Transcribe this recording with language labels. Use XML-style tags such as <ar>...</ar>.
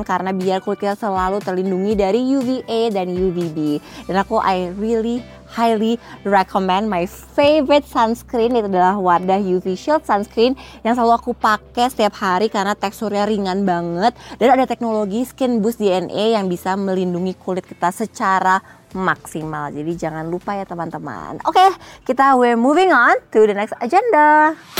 <id>Karena biar kulit kita selalu terlindungi dari UVA dan UVB. Dan aku,</id> <en>I really highly recommend my favorite sunscreen.</en> <id>Itu adalah Wardah UV Shield Sunscreen yang selalu aku pakai setiap hari karena teksturnya ringan banget dan ada teknologi Skin Boost DNA yang bisa melindungi kulit kita secara maksimal. Jadi jangan lupa ya teman-teman. Oke, kita</id> <en>we're moving on to the next agenda.</en>